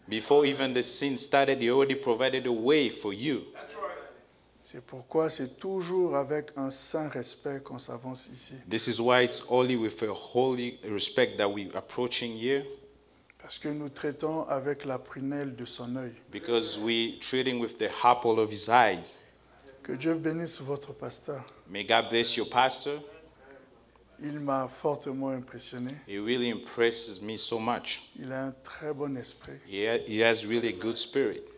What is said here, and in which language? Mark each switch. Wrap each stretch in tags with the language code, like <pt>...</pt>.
<en>Before even the sin started, he already provided a way for you.</en> <fr>C'est pourquoi c'est toujours avec un saint respect qu'on s'avance ici.</fr> <en>This is why it's only with a holy respect that we're approaching here.</en> <fr>Parce que nous traitons avec la prunelle de son œil.</fr> <en>Because we treating with the apple of his eyes.</en> <fr>Que Dieu bénisse votre pasteur.</fr> <en>May God bless your pastor.</en> <fr>Il m'a fortement impressionné.</fr> <en>He really impresses me so much.</en> <fr>Il a un très bon esprit.</fr> <en>He has really good spirit.</en>